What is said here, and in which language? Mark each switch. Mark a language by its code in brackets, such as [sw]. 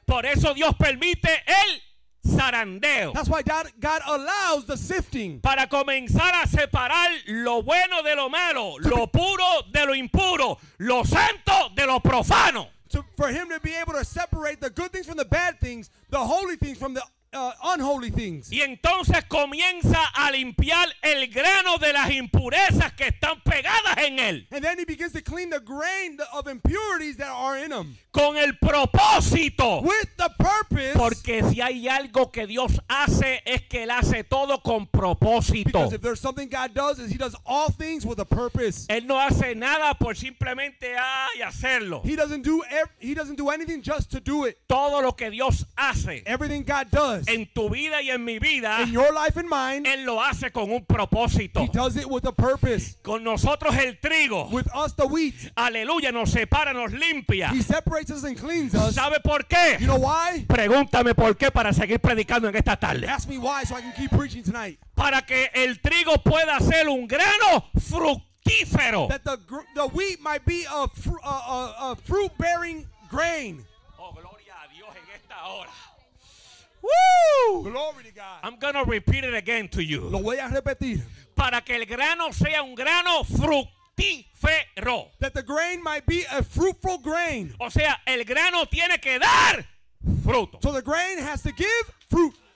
[es] Por eso Dios permite el zarandeo. [en] That's why God allows the sifting. [es] Para comenzar a separar lo bueno de lo malo, lo puro de lo impuro, lo santo de lo profano. [en] For him to be able to separate the good things from the bad things, the holy things from the unholy things. [es] Y entonces comienza a limpiar el grano de las impurezas que están pegadas en él. [en] And then he begins to clean the grain of impurities that are in him. [es] Con el propósito. [en] With the purpose. [es] Porque si hay algo que Dios hace, es que él hace todo con propósito. [en] Because if there's something God does, is he does all things with a purpose. [es] Él no hace nada por simplemente hacerlo. [en] He doesn't do anything just to do it. [es] Todo lo que Dios hace. [en] Everything God does. [es] En tu vida y en mi vida, [en] in your life and mine, [es] él lo hace con un propósito. [en] He does it with a purpose. [es] Con nosotros el trigo, [en] with us the wheat, [es] aleluya, nos separa, nos limpia. [en] He separates us and cleans us. [es] ¿Sabe por qué? [en] You know why? [es] Pregúntame por qué para seguir predicando en esta tarde. [en] Ask me why so I can keep preaching tonight. [es] Para que el trigo pueda ser un grano fructífero. [en] That the wheat might be a fruit-bearing grain. [es] Oh, gloria a Dios en esta hora. [en] Woo! Glory to God. I'm going to repeat it again to you. [es] Lo voy a repetir. Para que el grano sea un grano fructífero. [en] That the grain might be a fruitful grain. [es] O sea, el grano tiene que dar fruto. [en] So the grain has to give fruit.